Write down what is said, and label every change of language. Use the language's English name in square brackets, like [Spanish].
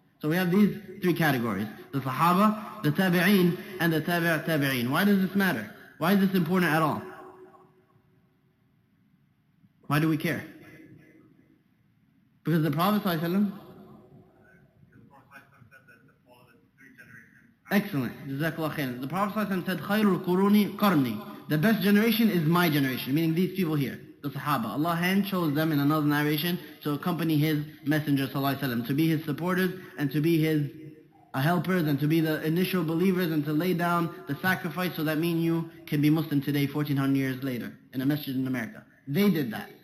[English] So we have these three categories, the sahaba, the tabi'in, and the tabi'a tabi'in. Why does this matter? Why is this important at all? Why do we care? Because the Prophet ﷺ... The Prophet ﷺ said that the following three generations... Excellent. The Prophet ﷺ said, [Arabic] خَيْرُ الْقُرُونِ قَرْنِي. [English] The best generation is my generation, meaning these people here, the Sahaba. Allah hand chose them in another narration to accompany His Messenger Sallallahu Alaihi Wasallam, to be His supporters and to be His helpers and to be the initial believers and to lay down the sacrifice so that me and you can be Muslim today 1400 years later in a masjid in America. They did that.